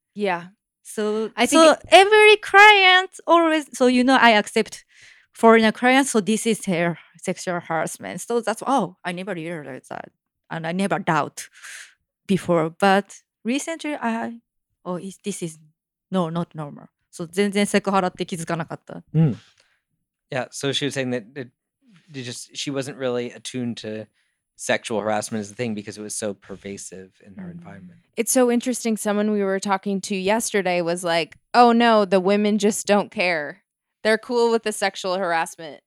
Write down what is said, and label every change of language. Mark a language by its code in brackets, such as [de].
[en] Yeah. So I think every client always. So I accept foreigner clients. So this is their sexual harassment. So that's I never realized that, and I never doubt before, but. Recently, this is not normal. [ja] So, 全然セクハラって気づかなかった。 [en] Yeah, so she was saying that she wasn't really attuned to sexual harassment is a thing because it was so pervasive in her environment. It's so interesting. Someone we were talking to yesterday was like, oh no, the women just don't care. They're cool with the sexual harassment.